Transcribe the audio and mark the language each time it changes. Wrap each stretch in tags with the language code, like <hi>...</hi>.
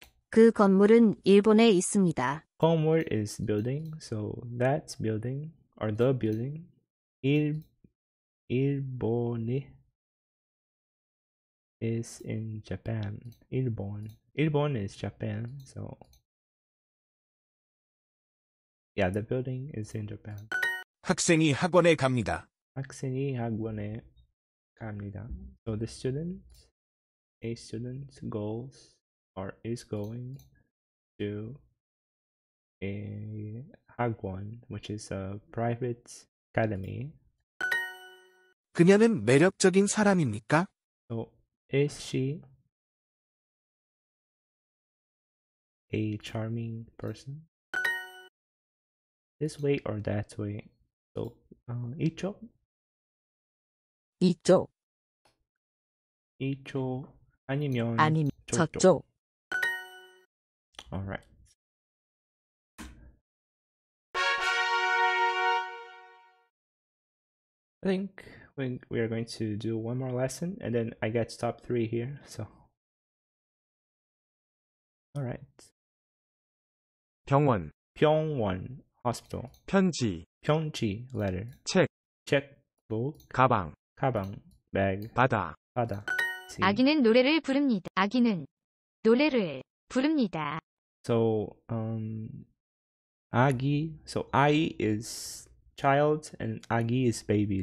<ko>그 건물은 일본에 있습니다.</ko> <en>건물 is building, so that building or the building 일본에 is in Japan.</en> <ko>일본.</ko> <en>일본 is Japan, so yeah, the building is in Japan.</en> <ko>학생이 학원에 갑니다. 학생이 학원에 갑니다.</ko> <en>So the student, a student goes or is going to a 학원, which is a private academy.</en> <ko>그녀는 매력적인 사람입니까?</ko> <en>So, is she a charming person? This way or that way? So, 이쪽?</en> <ko>이쪽. 이쪽 아니면, 아니면 저쪽. 저쪽.</ko> <en>All right. I think we are going to do one more lesson and then I get top three here. So. All right.</en> <ko>병원. 병원. Hospital. 편지. 편지. Letter. 책. 책book. 가방. 가방. Bag. 바다. 바다. 아기는 노래를 부릅니다. 아기는 노래를 부릅니다.</ko> <en>So, 아기, so I is child and 아기 is baby.</en>